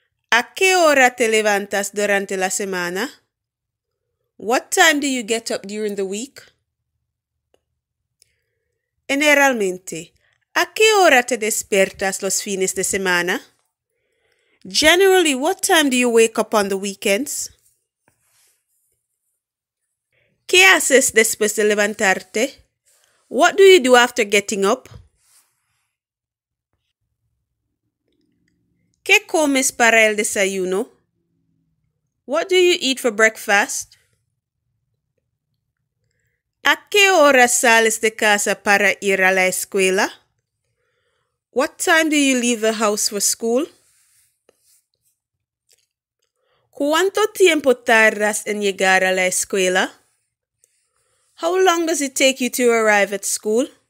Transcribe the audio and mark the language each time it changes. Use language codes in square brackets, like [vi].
[es] ¿A qué hora te levantas durante la semana? [en] What time do you get up during the week? [es] Generalmente, ¿a qué hora te despiertas los fines de semana? [en] Generally, what time do you wake up on the weekends? [es] ¿Qué haces después de levantarte? [en] What do you do after getting up? [es] ¿Qué comes para el desayuno? [en] What do you eat for breakfast? [es] ¿A qué hora sales de casa para ir a la escuela? [en] What time do you leave the house for school? [es] ¿Cuánto tiempo tardas en llegar a la escuela? [en] How long does it take you to arrive at school?